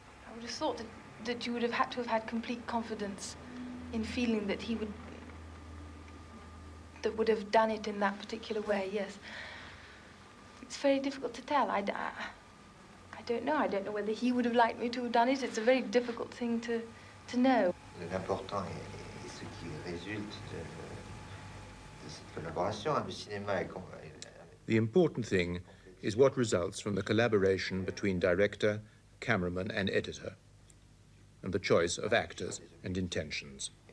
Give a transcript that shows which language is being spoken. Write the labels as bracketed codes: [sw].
[en] I would have thought that you would have had to have had complete confidence in feeling that he would, that would have done it in that particular way, yes. It's very difficult to tell. I don't know. I don't know whether he would have liked me to have done it. It's a very difficult thing to know. [fr] L'important est ce qui résulte de cette collaboration avec le cinéma. [en] The important thing is what results from the collaboration between director, cameraman and editor, and the choice of actors and intentions.